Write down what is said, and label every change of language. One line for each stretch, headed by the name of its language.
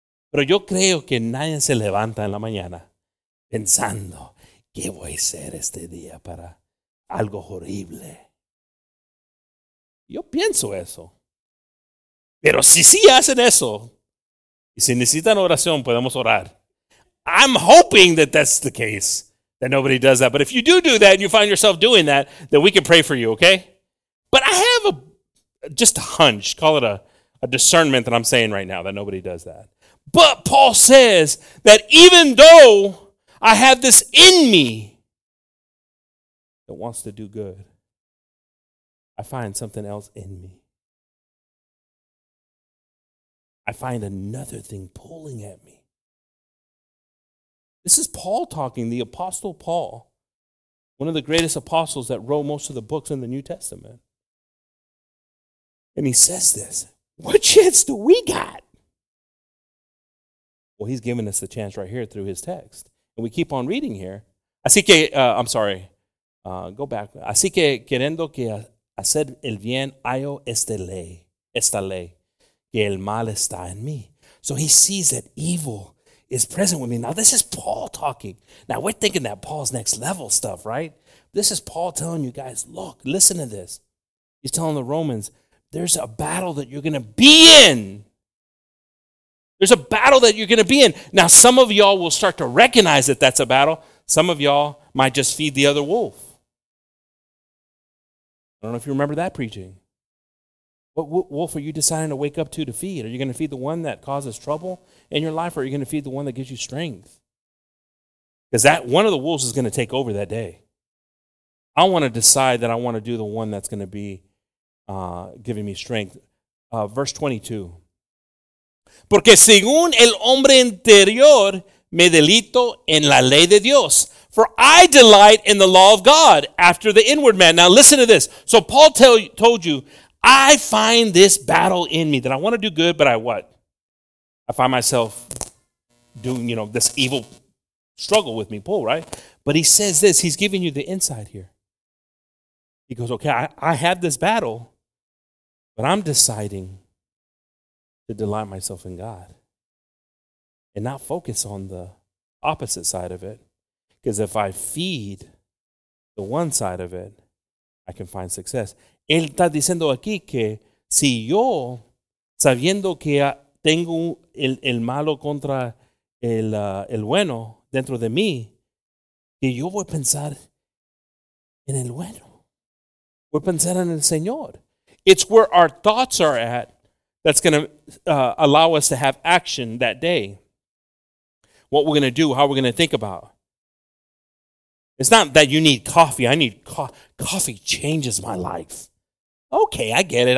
Spanish: Pero yo creo que nadie se levanta en la mañana pensando, ¿qué voy a hacer este día para algo horrible? Yo pienso eso. Pero si sí hacen eso, y si necesitan oración, podemos orar.
English: I'm hoping that that's the case. That nobody does that. But if you do that and you find yourself doing that, then we can pray for you, okay? But I have just a hunch, call it a discernment that I'm saying right now, that nobody does that. But Paul says that even though I have this in me that wants to do good, I find something else in me. I find another thing pulling at me. This is Paul talking, the Apostle Paul, one of the greatest apostles that wrote most of the books in the New Testament. And he says this, what chance do we got? Well, he's giving us the chance right here through his text. And we keep on reading here. Go back.
Spanish: Así que queriendo que hacer el bien, hallo esta ley, que el mal está en mí.
English: So he sees that evil is present with me. Now, this is Paul talking. Now, we're thinking that Paul's next level stuff, right? This is Paul telling you guys, look, listen to this. He's telling the Romans, there's a battle that you're going to be in. There's a battle that you're going to be in. Now, some of y'all will start to recognize that that's a battle. Some of y'all might just feed the other wolf. I don't know if you remember that preaching. What wolf are you deciding to wake up to feed? Are you going to feed the one that causes trouble in your life, or are you going to feed the one that gives you strength? Because that one of the wolves is going to take over that day. I want to decide that I want to do the one that's going to be giving me strength. Verse 22.
Spanish: Porque según el hombre interior, me delito en la ley de Dios.
English: For I delight in the law of God after the inward man. Now listen to this. So Paul told you, I find this battle in me that I want to do good, but I what? I find myself doing, you know, this evil struggle with me, pull, right? But he says this, he's giving you the insight here. He goes, okay, I have this battle, but I'm deciding to delight myself in God and not focus on the opposite side of it. Because if I feed the one side of it, I can find success.
Spanish: Él está diciendo aquí que si yo, sabiendo que tengo el malo contra el bueno dentro de mí, que yo voy a pensar en el bueno. Voy a pensar en el Señor.
English: It's where our thoughts are at that's going to allow us to have action that day. What we're going to do, how we're going to think about. It's not that you need coffee. I need coffee changes my life. Okay, I get it.